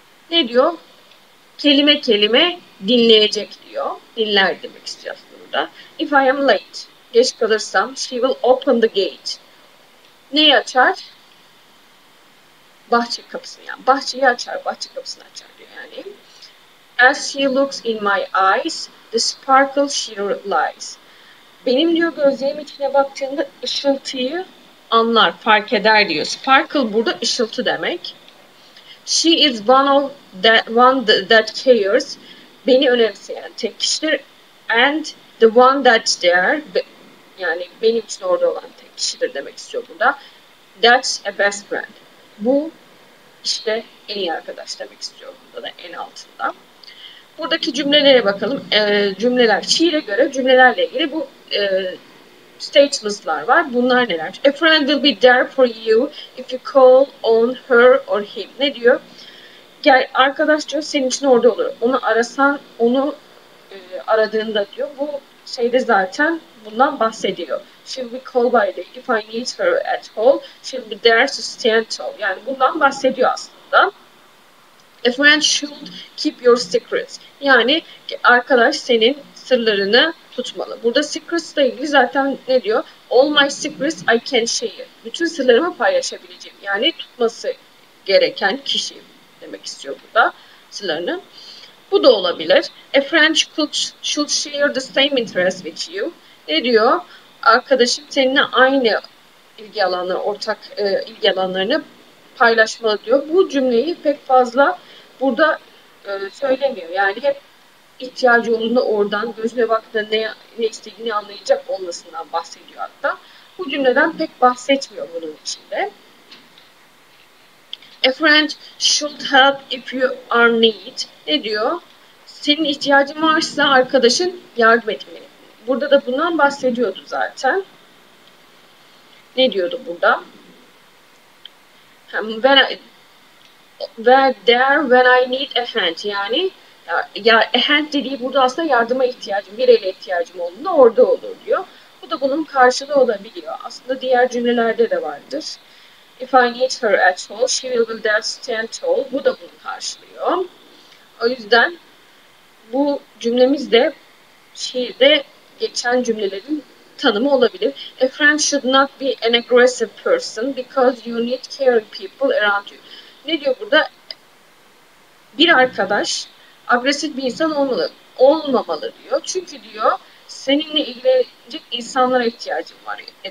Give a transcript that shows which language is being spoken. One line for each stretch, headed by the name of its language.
Turkish: Ne diyor? Kelime kelime dinleyecek diyor. Dinler demek istiyor burada.
English: If I am late,
Turkish: geç kalırsam,
English: she will open the gate.
Turkish: Neyi açar? Bahçe kapısını, yani bahçeyi açar, bahçe kapısını açar diyor yani.
English: As she looks in my eyes, the sparkle she realizes.
Turkish: Benim diyor gözlerim içine baktığında ışıltıyı anlar, fark eder diyor. Sparkle burada ışıltı demek.
English: She is one that cares.
Turkish: Beni önemseyen tek kişidir.
English: And the one that's there.
Turkish: Yani benim için orada olan tek kişidir demek istiyor burada.
English: That's a best friend.
Turkish: Bu işte en iyi arkadaş demek istiyor burada da en altında. Buradaki cümlelere bakalım. Cümleler, şiire göre cümlelerle ilgili bu statements'lar var. Bunlar neler?
English: A friend will be there for you if you call on her or him.
Turkish: Ne diyor? Gel, arkadaş diyor senin için orada olur. Onu arasan, onu aradığında diyor. Bu şeyde zaten bundan bahsediyor.
English: She'll be called by day if I need her at all. She'll be there to stand tall.
Turkish: Yani bundan bahsediyor aslında.
English: A friend should keep your secrets.
Turkish: Yani arkadaş senin sırlarını tutmalı. Burada secrets'la ilgili zaten ne diyor?
English: All my secrets I can share.
Turkish: Bütün sırlarımı paylaşabileceğim. Yani tutması gereken kişi demek istiyor burada sırlarını. Bu da olabilir.
English: A friend should share the same interest with you.
Turkish: Ne diyor? Arkadaşım seninle aynı ilgi alanları, ortak ilgi alanlarını paylaşmalı diyor. Bu cümleyi pek fazla burada söylemiyor. Yani hep ihtiyacı olduğunda oradan gözüne baktığında ne istediğini anlayacak olmasından bahsediyor hatta. Bu cümleden pek bahsetmiyor bunun içinde.
English: A friend should help if you are need.
Turkish: Ne diyor? Senin ihtiyacın varsa arkadaşın yardım etmeli. Burada da bundan bahsediyordu zaten. Ne diyordu burada?
English: When I need a hand,
Turkish: yani ya,
English: a hand
Turkish: dediği burada aslında yardıma ihtiyacım, bir ele ihtiyacım olduğunda orada olur diyor. Bu da bunun karşılığı olabiliyor. Aslında diğer cümlelerde de vardır.
English: If I need her at all, she will be there to stand tall.
Turkish: Bu da bunu karşılıyor. O yüzden bu cümlemiz de şiirde geçen cümlelerin tanımı olabilir.
English: A friend should not be an aggressive person because you need caring people around you.
Turkish: Ne diyor burada? Bir arkadaş agresif bir insan olmamalı diyor. Çünkü diyor seninle ilgilenecek insanlara ihtiyacım var.